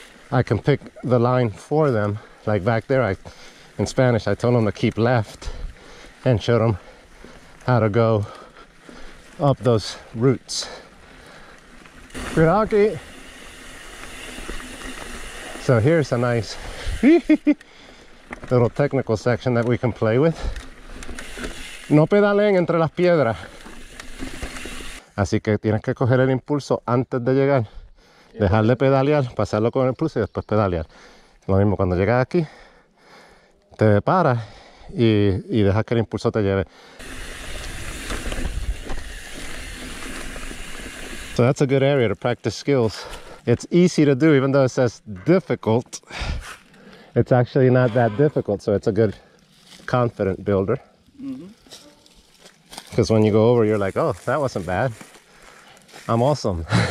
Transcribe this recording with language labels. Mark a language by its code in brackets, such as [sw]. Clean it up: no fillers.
[en] I can pick the line for them. Like back there, in Spanish, I told them to keep left and showed them how to go up those roots. Good hockey. So here's a nice little technical section that we can play with. [es] No pedalen entre las piedras. Así que tienes que coger el impulso antes de llegar. Dejar de pedalear, pasarlo con el impulso y después pedalear. Lo mismo cuando llegas aquí, te paras y dejas que el impulso te lleve. [en] So that's a good area to practice skills. It's easy to do, even though it says difficult. It's actually not that difficult, so it's a good confident builder. Because mm-hmm. When you go over, you're like, oh, that wasn't bad. I'm awesome.